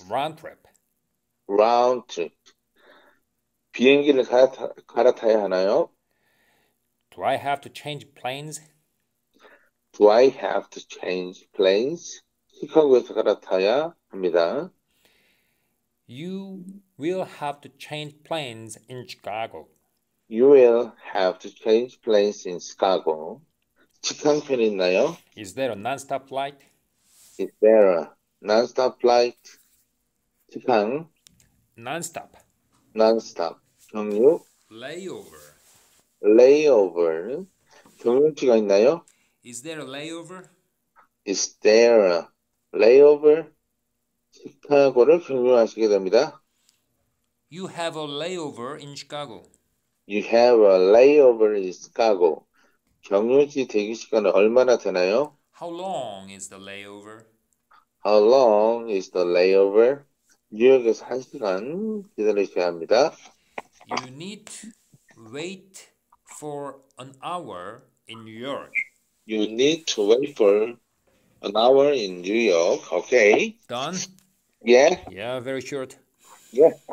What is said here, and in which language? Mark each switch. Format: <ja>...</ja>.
<en>Round trip. Round trip.</en> <ko>비행기를 갈아타야 하나요?</ko> <en>Do I have to change planes? Do I have to change planes?</en> <ko>시카고에서 갈아타야 합니다.</ko> <en>You will have to change planes in Chicago. You will have to change planes in Chicago.</en> <ko>직항편이 있나요?</ko> <en>Is there a non-stop flight? Is there a non-stop flight? 직항. Non-stop. Non-stop. 경유. Layover.</en> <ko>Layover. 경유지가 있나요?</ko> <en>Is there a layover? Is there a layover?</en> <ko>시카고를 경유하시게 됩니다.</ko> <en>You have a layover in Chicago. You have a layover in Chicago.</en> <ko>경유지 대기 시간은 얼마나 되나요?</ko> <en>How long is the layover? How long is the layover?</en> <ko>뉴욕에서 한 시간 기다리셔야 합니다.</ko> <en>You need to wait for an hour in New York. You need to wait for an hour in New York. Okay. Done? Yeah. Yeah, very short. Yeah.</en>